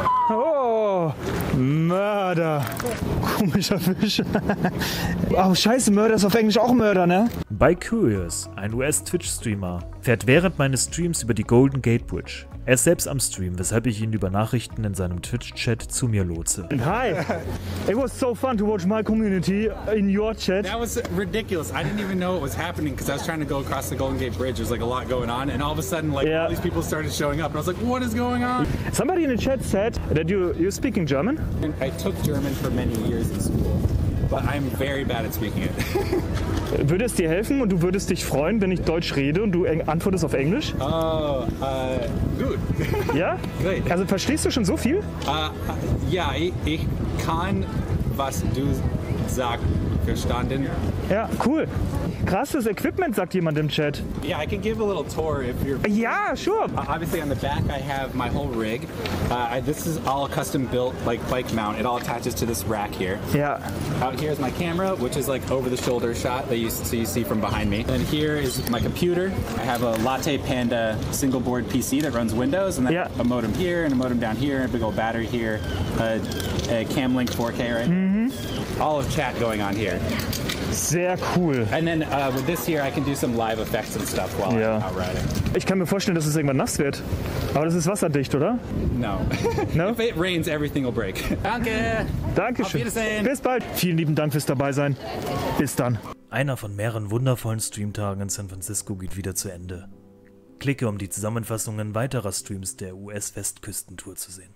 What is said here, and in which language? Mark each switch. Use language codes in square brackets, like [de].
[de] Oh, Mörder. Komischer Fisch. Oh, scheiße, Mörder ist auf Englisch auch Mörder, ne? By Curious, ein US-Twitch-Streamer, fährt während meines Streams über die Golden Gate Bridge. Er ist selbst am Stream, weshalb ich ihn über Nachrichten in seinem Twitch-Chat zu mir lotse. [en] Hi! It was so fun to watch my community in your chat. That was ridiculous. I didn't even know what was happening because I was trying to go across the Golden Gate Bridge. There's like a lot going on and all of a sudden like all these people started showing up and I was like, what is going on? Somebody in the chat said that you're speaking German. I took German for many years in school. But I'm very bad at speaking it. [de] Würde es dir helfen und du würdest dich freuen, wenn ich Deutsch rede und du antwortest auf Englisch? Gut. Ja? [en] Great. [de] Also verstehst du schon so viel? Ja, ich kann, was du sagst, verstanden. Ja, cool. Krasses Equipment, sagt jemand im Chat. [en] Yeah, I can give a little tour if you're... Yeah, sure. Obviously, on the back, I have my whole rig. This is all custom-built, like, bike mount. It all attaches to this rack here. Yeah. Out here is my camera, which is, like, over-the-shoulder shot that you see from behind me. And here is my computer. I have a Latte Panda single-board PC that runs Windows. And then a modem here and a modem down here, a big old battery here, a Camlink 4K right here. Mm-hmm. All of chat going on here. [de] Sehr cool. [en] And then with this here, I can do some live effects and stuff while I'm out riding. [de] Ich kann mir vorstellen, dass es irgendwann nass wird. Aber das ist wasserdicht, oder? [en] No. No? If it rains, everything will break. [de] Danke. Dankeschön. Auf Wiedersehen. Bis bald. Vielen lieben Dank fürs dabei sein. Bis dann. Einer von mehreren wundervollen Streamtagen in San Francisco geht wieder zu Ende. klicke, um die Zusammenfassungen weiterer Streams der US-Westküstentour zu sehen.